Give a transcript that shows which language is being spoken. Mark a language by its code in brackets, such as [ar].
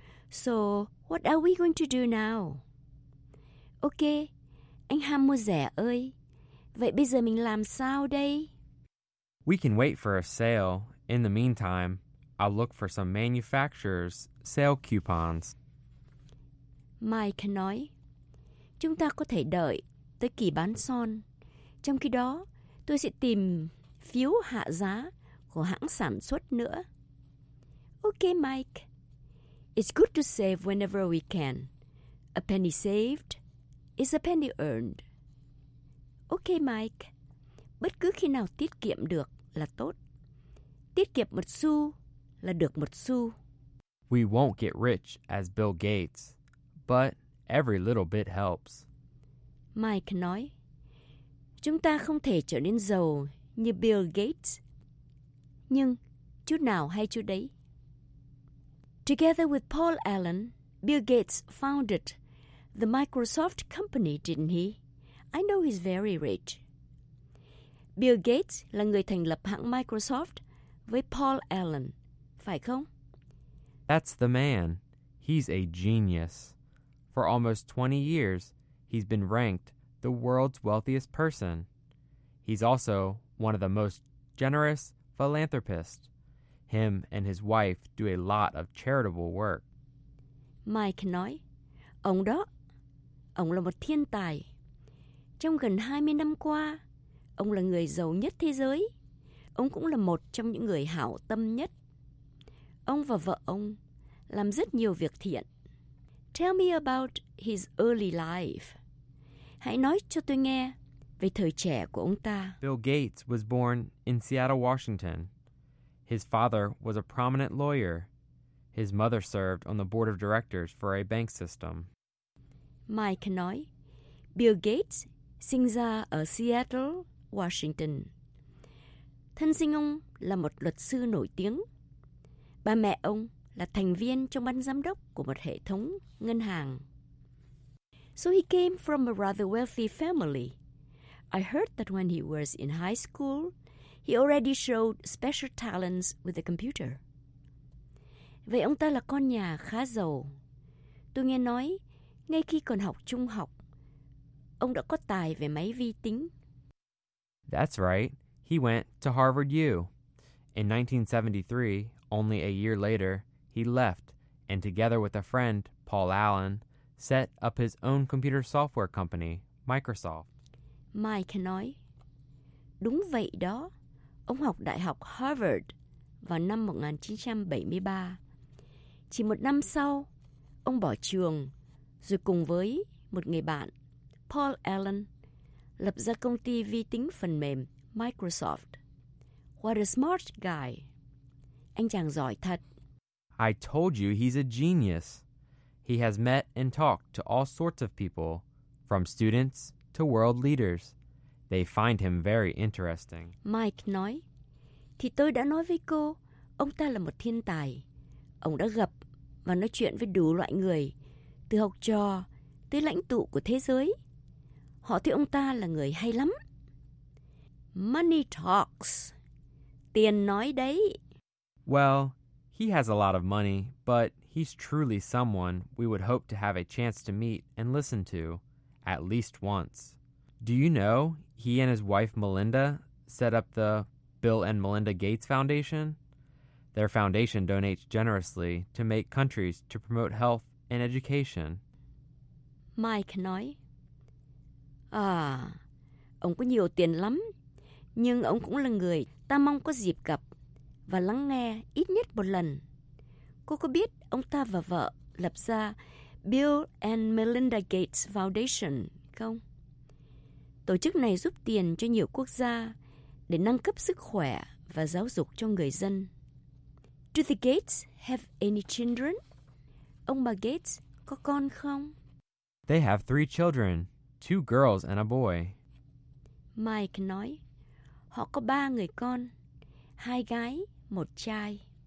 [en] So, what are we going to do now? [vi] Okay, anh ham mua rẻ ơi. Vậy bây giờ mình làm sao đây? [en] We can wait for a sale. In the meantime, I'll look for some manufacturer's sale coupons. [vi] Mike nói, chúng ta có thể đợi tới kỳ bán son. Trong khi đó, tôi sẽ tìm phiếu hạ giá của hãng sản xuất nữa. [en] Okay, Mike. It's good to save whenever we can. A penny saved is a penny earned. Okay, Mike. [vi] Bất cứ khi nào tiết kiệm được là tốt. Tiết kiệm một xu là được một xu. [en] We won't get rich as Bill Gates, but every little bit helps. [vi] Mike nói, chúng ta không thể trở nên giàu như Bill Gates, nhưng chút nào hay chút đấy. [en] Together with Paul Allen, Bill Gates founded the Microsoft company, didn't he? I know he's very rich. [vi] Bill Gates là người thành lập hãng Microsoft với Paul Allen, phải không? [en] That's the man. He's a genius. For almost 20 years, he's been ranked the world's wealthiest person. He's also one of the most generous philanthropists. Him and his wife do a lot of charitable work. [vi] Mike nói, ông đó, ông là một thiên tài. Trong gần 20 năm qua, ông là người giàu nhất thế giới. Ông cũng là một trong những người hảo tâm nhất. Ông và vợ ông làm rất nhiều việc thiện. [en] Tell me about his early life. [vi] Hãy nói cho tôi nghe về thời trẻ của ông ta. [en] Bill Gates was born in Seattle, Washington. His father was a prominent lawyer. His mother served on the board of directors for a bank system. [vi] Mike nói, Bill Gates sinh ra ở Seattle, Washington. Thân sinh ông là một luật sư nổi tiếng. Ba mẹ ông là thành viên trong ban giám đốc của một hệ thống ngân hàng. [en] So he came from a rather wealthy family. I heard that when he was in high school, he already showed special talents with the computer. [vi] Vậy ông ta là con nhà khá giàu. Tôi nghe nói, ngay khi còn học trung học, ông đã có tài về máy vi tính. [en] That's right. He went to Harvard U. In 1973, only a year later, he left, and together with a friend, Paul Allen, set up his own computer software company, Microsoft. [vi] Mike nói, đúng vậy đó. Ông học Đại học Harvard vào năm 1973. Chỉ một năm sau, ông bỏ trường, rồi cùng với một người bạn, Paul Allen, lập ra công ty vi tính phần mềm Microsoft. [en] What a smart guy. [vi] Anh chàng giỏi thật. [en] I told you he's a genius. He has met and talked to all sorts of people, from students to world leaders. They find him very interesting. [vi] Mike nói, thì tôi đã nói với cô, ông ta là một thiên tài. Ông đã gặp và nói chuyện với đủ loại người, từ học trò tới lãnh tụ của thế giới. Họ thấy ông ta là người hay lắm. [en] Money talks. [vi] Tiền nói đấy. [en] Well, he has a lot of money, but he's truly someone we would hope to have a chance to meet and listen to at least once. Do you know he and his wife Melinda set up the Bill and Melinda Gates Foundation? Their foundation donates generously to make countries to promote health and education. [vi] Mike nói, à, ông có nhiều tiền lắm, nhưng ông cũng là người ta mong có dịp gặp và lắng nghe ít nhất một lần. Cô có biết ông ta và vợ lập ra Bill and Melinda Gates Foundation không? Tổ chức này giúp tiền cho nhiều quốc gia để nâng cấp sức khỏe và giáo dục cho người dân. [en] Do the Gates have any children? [vi] Ông bà Gates có con không? [en] They have 3 children, 2 girls and a boy. [vi] Mike nói, họ có 3 người con, 2 gái, 1 trai.